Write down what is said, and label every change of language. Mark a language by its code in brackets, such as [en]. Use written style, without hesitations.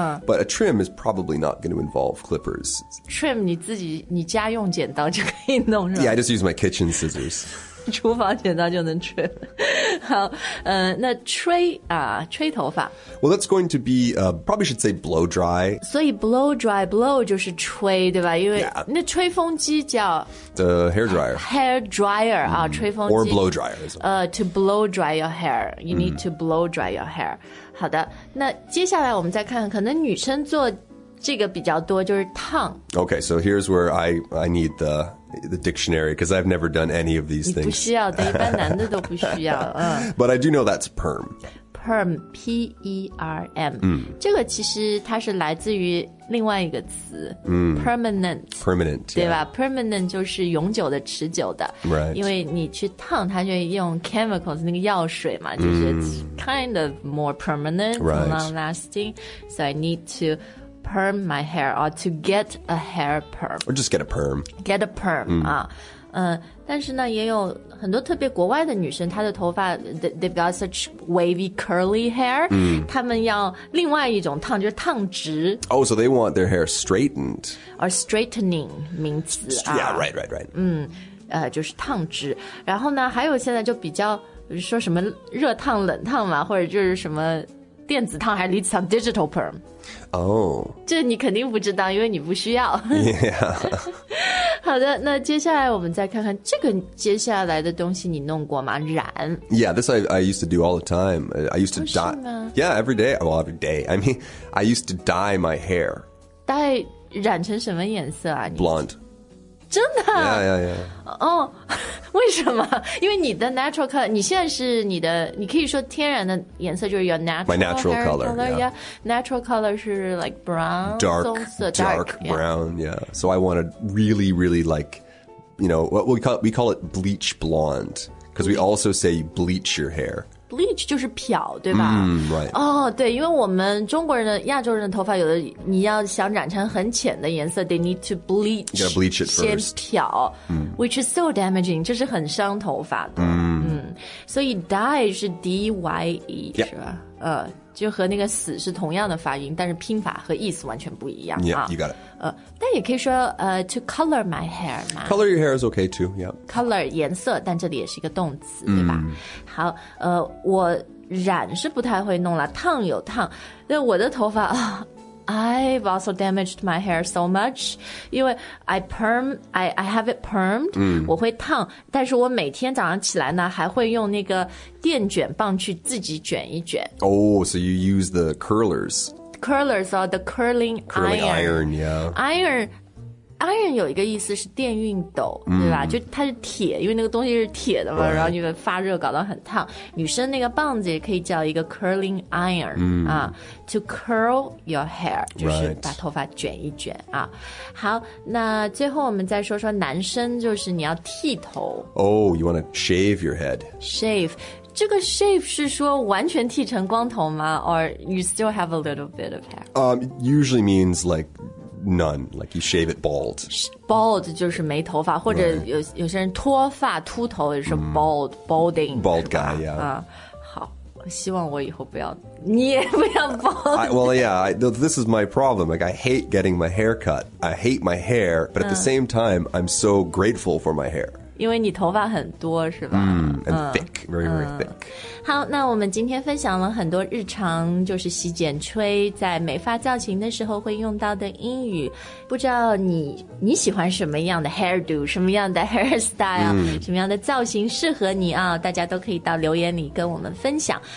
[en] But a trim is probably not going to involve clippers. [zh] Trim, 你自己你家用剪刀就可以弄是吧 [en] Yeah, I just use my kitchen scissors. [zh] 厨房剪刀就能吹好、那吹啊、吹头发 [en] Well, that's going to be、probably should say blow dry [zh] 所以 blow dry blow 就是吹对吧因为、 [en] yeah. [zh] 那吹风机叫 [en] the hair dryer [zh] hair dryer、啊、吹风机 [en] or blow dryer、 to blow dry your hair you need、 to blow dry your hair [zh] 好的那接下来我们再看看可能女生做这个比较多就是烫 [en] Okay, so here's where I need the dictionary, because I've never done any of these things. [zh] 你不需要的，一般男的都不需要。 [en] But I do know that's perm. [zh] Perm, P-E-R-M.、这个其实它是来自于另外一个词、permanent. [en] Permanent, [zh] 对吧、 [en] yeah. [zh] Permanent 就是永久的、持久的。 [en] Right. [zh] 因为你去烫它就用 chemicals, 那个药水嘛、就是 [en] it's kind of more permanent,、 right. long-lasting. So I need to... perm my hair or to get a hair perm or just get a perm get a perm、 [zh] 但是呢也有很多特别国外的女生她的头发 [en] they've got such wavy curly hair、 [zh] 她们要另外一种烫就是烫直 [en] oh so they want their hair straightened or straightening 名词、 yeah right right right、 [zh] 就是烫直然后呢还有现在就比较说什么热烫冷烫嘛或者就是什么电子烫还是离子烫 digital perm 哦、这你肯定不知道因为你不需要、 [en] yeah. [zh] 好的那接下来我们再看看这个接下来的东西你弄过吗染 [en] Yeah, this I used to do all the time I used to dye Yeah, every day Well, every day I mean, I used to dye my hair [zh] dye 染成什么颜色啊 [en] Blonde [zh] 真的 [en] Yeah, yeah, yeah [zh] 哦、为什么因为你的 natural color 你现在是你的你可以说天然的颜色就是 your natural [en] color My natural color, color yeah Natural color 是 like brown Dark, dark brown yeah. yeah So I want to really really like You know what we call it bleach blonde Because we also say bleach your hair [zh] Bleach 就是漂对吧、 [en] right. [zh] 哦对因为我们中国人的亚洲人的头发有的你要想染成很浅的颜色 [en] They need to bleach You gotta bleach it first [zh] 先漂、 [en] Which is so damaging [zh] 这是很伤头发的、所以 dye 是 D-Y-E、 [en] yeah. [zh] 是吧就和那个死是同样的发音但是拼法和意思完全不一样 [en] Yeah、 [zh] 啊、 [en] you got it、 [zh] 但也可以说、 [en] to color my hair Color your hair is okay too、yeah. [zh] Color 颜色但这里也是一个动词、对吧好、我染是不太会弄了烫有烫但我的头发、 [en] I've also damaged my hair so much. 因为 I perm, I have it permed,、mm. [zh] 我会烫，但是我每天早上起来呢，还会用那个电卷棒去自己卷一卷。 [en] Oh, so you use the curlers. Curlers are the curling iron. Curling iron, yeah. [zh] Iron 有一个意思是电熨斗、mm. 对吧，就它是铁，因为那个东西是铁的嘛、right. 然后就会发热搞得很烫，女生那个棒子也可以叫一个 curling iron、mm. 啊、 [en] to curl your hair [zh] 就是把头发卷一卷、 [en] right. [zh] 啊。好，那最后我们再说说男生，就是你要剃头。 [en] Oh, you want to shave your head. [zh] Shave, 这个 shave 是说完全剃成光头吗？ [en] Or you still have a little bit of hair? Usually means likeNone, like you shave it bald. [zh] Bald 就是没头发，或者有些人脱发秃头也是 bald,、mm. [en] balding. Bald guy, yeah.、 [zh] 好，希望我以后不要，你也不要 bald. [en] This is my problem. Like, I hate getting my hair cut. I hate my hair, but at the same time, I'm so grateful for my hair. [zh] 因为你头发很多是吧、 [en] mm, and thick, very very thick. [zh] 好，那我们今天分享了很多日常就是洗剪吹在美发造型的时候会用到的英语，不知道你喜欢什么样的 hairdo, 什么样的 hairstyle、mm. 什么样的造型适合你啊，大家都可以到留言里跟我们分享。